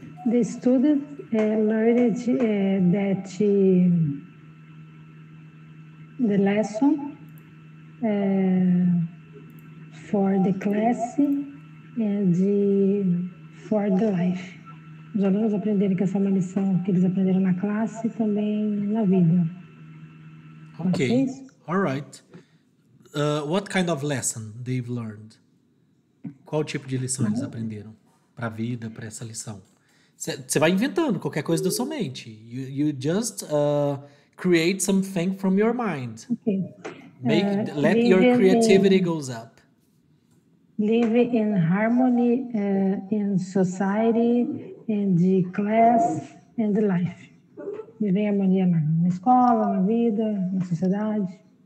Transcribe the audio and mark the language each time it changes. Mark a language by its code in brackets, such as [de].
[en] The student learned that the lesson for the class and for the life. [pt] Os alunos aprenderam que essa é uma lição que eles aprenderam na classe e também na vida. [en] Okay. All right. What kind of lesson they've learned? [pt] Qual tipo de lição eles aprenderam para a vida, para essa lição? Você vai inventando qualquer coisa da sua mente. [en] You just create something from your mind. Okay. Let your creativity goes up. Live in harmony in society, in the class, and the life. [pt] Viver em harmonia na escola, na vida, na sociedade.